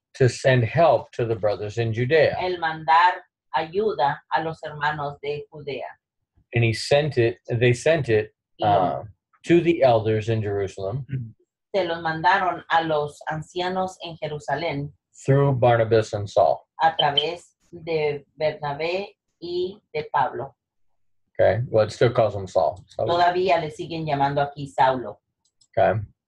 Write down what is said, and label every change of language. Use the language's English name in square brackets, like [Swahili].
[English] To send help to the brothers in Judea. [Spanish] El mandar ayuda a los hermanos de Judea. [English] And he sent it. They sent it to the elders in Jerusalem. [Spanish] Se los mandaron a los ancianos en Jerusalén. [English] Through Barnabas and Saul. [Spanish] A través de Bernabé y de Pablo. [English] Okay, well, it still calls him Saul. [Spanish] Todavía le siguen llamando aquí Saulo. [English] Okay.